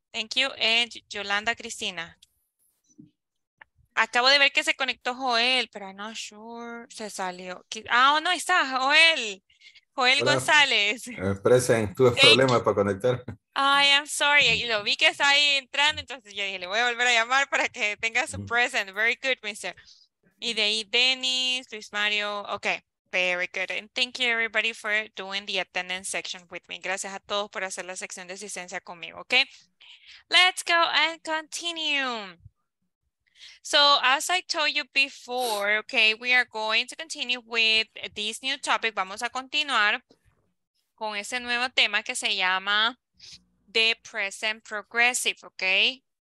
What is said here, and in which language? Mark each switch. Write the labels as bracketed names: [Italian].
[English] Thank you. And [Spanish] Yolanda Cristina. Acabo de ver que se conectó Joel, pero [English] I'm not sure. [Spanish] Se salió. Ah, oh, no, está Joel. Joel. Hola. González. Present. Tuve problemas para conectar. [English] I am sorry. [Spanish] Y lo vi que está ahí entrando, entonces yo dije, le voy a volver a llamar para que tenga su present. [English] Very good, mister. [Spanish] Y de ahí, [English] Dennis, Luis Mario. Okay, very good. And thank you, everybody, for doing the attendance section with me. [Spanish] Gracias a todos por hacer la sección de asistencia conmigo, okay? [English] Let's go and continue. So as I told you before, okay, we are going to continue with this new topic. [Spanish] Vamos a continuar con ese nuevo tema que se llama the present progressive, okay?